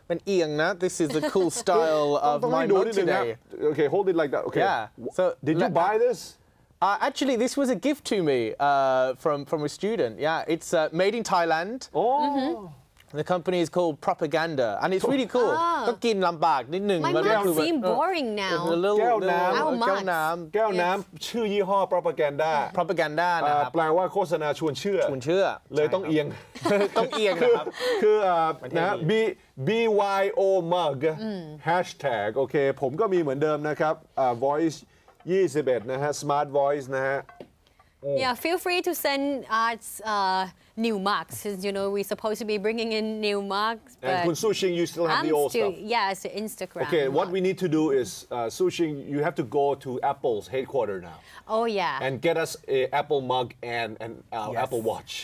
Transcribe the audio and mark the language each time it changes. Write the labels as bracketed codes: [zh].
[en] This is the cool style of my mom today. Okay, hold it like that. Okay. Yeah. So did you buy this? Actually, this was a gift to me from a student. Yeah, it's made in Thailand. Oh. Mm-hmm. The company is called Propaganda, and it's really cool. Oh. My mouth seems boring now. [th] แก้วน้ำ ชื่อยี่ห้อ Propaganda. Propaganda นะครับ แปลว่าโฆษณาชวนเชื่อ ชวนเชื่อ เลยต้องเอียง ต้องเอียงนะครับ คือนะ BYO mug hashtag โอเคผมก็มีเหมือนเดิมนะครับ voice 21นะฮะ smart voice นะฮะ [en] Yeah, feel free to send us new mugs since you know we're supposed to be bringing in new mugs. And Kun Sueching, you still have the old stuff. Yes, yeah, Instagram. Okay, what we need to do is Sueching, you have to go to Apple's headquarters now. Oh yeah. And get us an Apple mug and an Apple Watch.